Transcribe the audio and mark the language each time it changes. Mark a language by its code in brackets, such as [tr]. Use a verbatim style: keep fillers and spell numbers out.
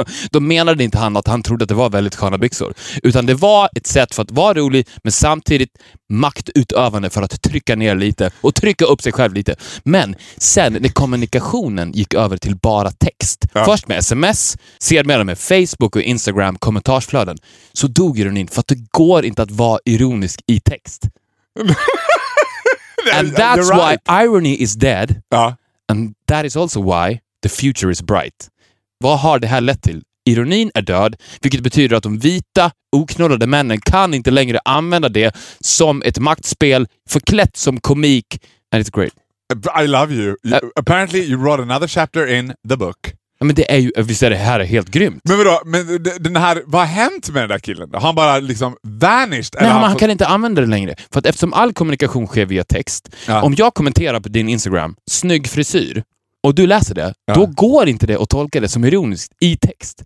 [sv] De menade inte han att han trodde att det var väldigt sköna byxor. Utan det var ett sätt för att vara rolig, men samtidigt maktutövande för att trycka ner lite och trycka upp sig själv lite. Men sen när kommunikationen gick över till bara text. Ja. Först med sms, sedan med Facebook och Instagram, kommentarsflöden. Så dog ironin för att det går inte att vara ironisk i text. [en] And that's right. why irony is dead. [sv] Ja. [en] And that is also why the future is bright. [sv] Vad har det här lett till? Ironin är död, vilket betyder att de vita, oknollade männen kan inte längre använda det som ett maktspel förklätt som komik. [en] And it's great. I love you. you uh, apparently you wrote another chapter in the book. [sv] Men det är ju, visst är det här helt grymt. Men vadå, men den här, vad har hänt med den där killen? Har han bara liksom vanished? Nej, han, han fått... kan inte använda det längre. För att eftersom all kommunikation sker via text, ja. Om jag kommenterar på din Instagram, snygg frisyr, och du läser det, ja. Då går inte det att tolka det som ironiskt i text.